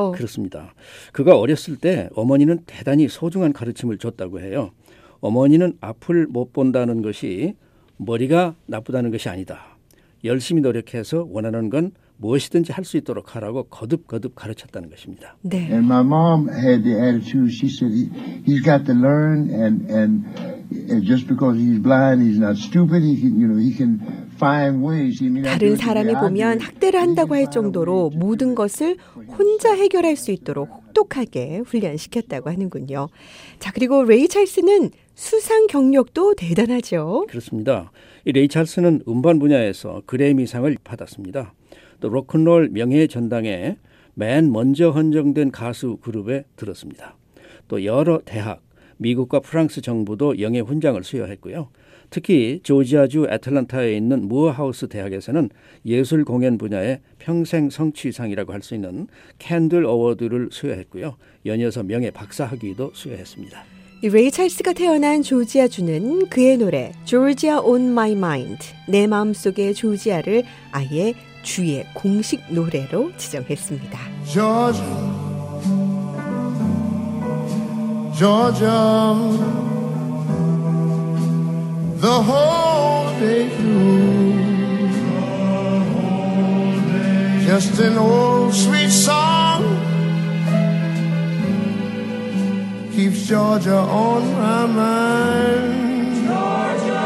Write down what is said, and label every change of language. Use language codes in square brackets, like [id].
[ko] 그렇습니다. 그가 어렸을 때 어머니는 대단히 소중한 가르침을 줬다고 해요. 어머니는 앞을 못 본다는 것이 머리가 나쁘다는 것이 아니다. 열심히 노력해서 원하는 건 무엇이든지 할 수 있도록 하라고 거듭거듭 가르쳤다는 것입니다. 네. [en] And my mom had the attitude. She said he's got to learn and just because he's blind, he's not stupid. He can, you know, he can find ways. [ko] 다른 사람이 보면 학대를 한다고 할 정도로 모든 것을 혼자 해결할 수 있도록 혹독하게 훈련시켰다고 하는군요. 자, 그리고 레이 찰스는 수상 경력도 대단하죠. 그렇습니다. 이 레이 찰스는 음반 분야에서 그래미상을 받았습니다. 또 록앤롤 명예 전당에 맨 먼저 헌정된 가수 그룹에 들었습니다. 또 여러 대학, 미국과 프랑스 정부도 영예 훈장을 수여했고요. 특히 조지아주 애틀랜타에 있는 무어하우스 대학에서는 예술 공연 분야의 평생 성취상이라고 할 수 있는 캔들 어워드를 수여했고요. 연이어서 명예 박사 학위도 수여했습니다. 레이 찰스가 태어난 조지아주는 그의 노래 Georgia on my mind, 내 마음속에 조지아를 아예 주의 공식 노래로 지정했습니다. [en] Georgia, Georgia, the whole day through, just an old sweet song keeps Georgia on my mind.